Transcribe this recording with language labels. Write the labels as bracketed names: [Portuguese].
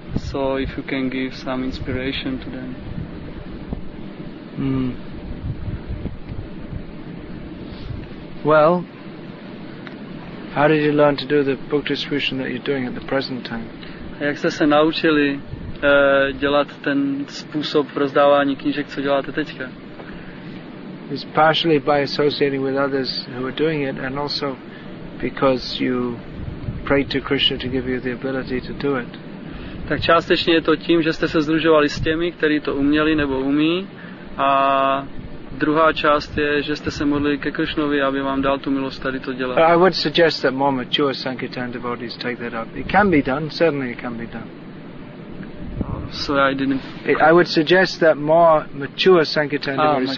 [English] So if you can give some inspiration to them. Well, how did you learn to do the book distribution that you're doing at the present time? [Czech] Jak jste se naučili dělat ten způsob rozdávání knížek, co děláte teďka? [English] It's partially by associating with others who are doing it, and also because you prayed to Krishna to give you the ability to do it. [Czech] Tak částečně je to tím, že jste se sdružovali s těmi, kteří to uměli nebo umí. A druhá část je, že jste se modlili ke Krišnovi, aby vám dal tu milost tady to dělat. [English] I would suggest that more mature sankirtan devotees take that up. It can be done, certainly it can be done. I would suggest that more mature sankirtan devotees.